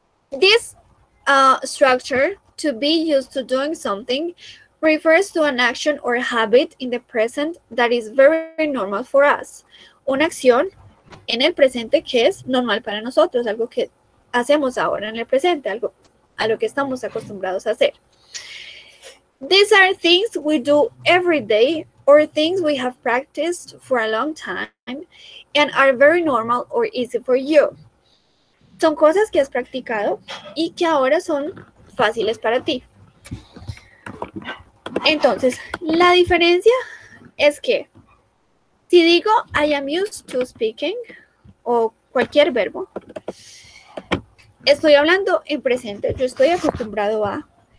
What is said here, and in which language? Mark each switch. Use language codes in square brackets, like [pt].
[en] This structure, to be used to doing something, refers to an action or habit in the present that is very normal for us. [es] Una acción en el presente que es normal para nosotros, algo que hacemos ahora en el presente, algo a lo que estamos acostumbrados a hacer. [en] These are things we do every day or things we have practiced for a long time and are very normal or easy for you. [es] Son cosas que has practicado y que ahora son fáciles para ti. Entonces, la diferencia es que si digo [en] I am used to speaking [es] o cualquier verbo, estoy hablando en presente, yo estoy acostumbrado a.